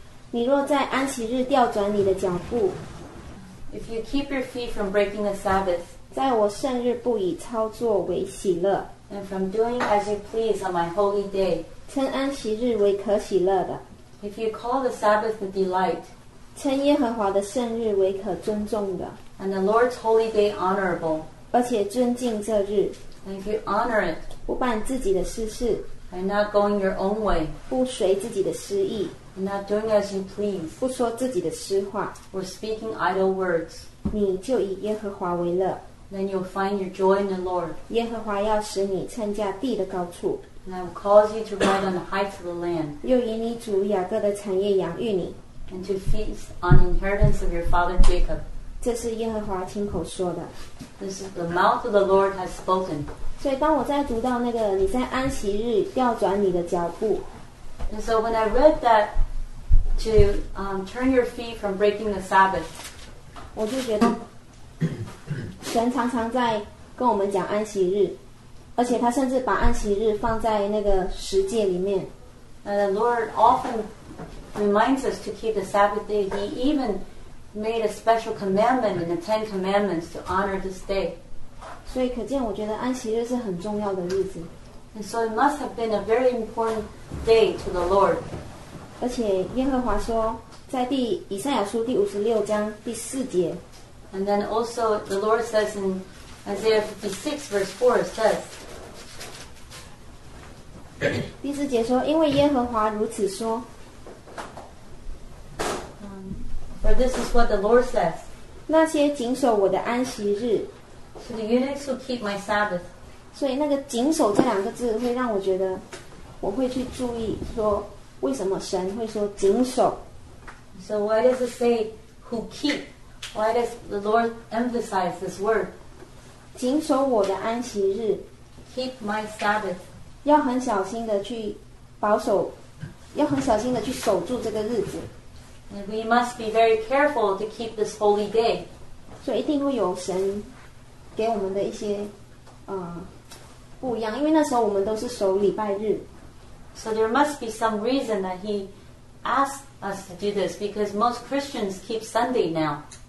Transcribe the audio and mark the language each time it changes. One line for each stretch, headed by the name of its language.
Chinese: 你若在安息日调转你的脚步,
English: if you keep your feet from breaking the Sabbath,
Chinese: 在我圣日不以操作为喜乐。
English: And from doing as you please on my holy day,
Chinese: 称安息日为可喜乐的。
English: If you call the Sabbath a delight,
Chinese: 称耶和华的圣日为可尊重的。
English: And the Lord's holy day honorable,
Chinese: 而且尊敬这日。
English: And if you honor it,
Chinese: 不办自己的私事。
English: And not going your own way,
Chinese: 不随自己的私意。
English: And not doing as you please,
Chinese: 不说自己的私话。
English: Or speaking idle words,
Chinese: 你就以耶和华为乐。
English: Then you'll find your joy in the Lord.
Chinese: 耶和华要使你称价地的高处。
English: And I will cause you to ride on the heights of the land.
Chinese: 又以你主雅各的产业养育你。
English: And to feast on the inheritance of your father Jacob.
Chinese: 这是耶和华亲口说的。
English: This is the mouth of the Lord has spoken.
Chinese: 所以当我在读到那个你在安息日调转你的脚步。
English: And so when I read that to turn your feet from breaking the Sabbath.
Chinese: 我就觉得。神常常在跟我们讲安息日，而且他甚至把安息日放在那个十诫里面。
English: The Lord often reminds us to keep the Sabbath day. He even made a special commandment in the Ten Commandments to honor this day.
Chinese: 所以可见我觉得安息日是很重要的日子。
English: And so it must have been a very important day to the Lord.
Chinese: 而且耶和华说在第以赛亚书第五十六章第四节。
English: And then also the Lord says in Isaiah 56 verse 4 it says
Chinese: 第四节说因为耶和华如此说。
English: For this is what the Lord says.
Chinese: 那些谨守我的安息日。
English: So the eunuchs will keep my Sabbath.
Chinese: 所以那个谨守这两个字会让我觉得我会去注意说为什么神会说谨守。
English: So why does it say who keep? Why does the Lord emphasize this word?
Chinese: 谨守我的安息日。
English: Keep my Sabbath.
Chinese: 要很小心的去保守，要很小心的去守住这个日子。
English: We must be very careful to keep this holy day.
Chinese: 所以一定会有神给我们的一些不一样，因为那时候我们都是守礼拜日。
English: So there must be some reason that he asked us to do this because most Christians keep Sunday now.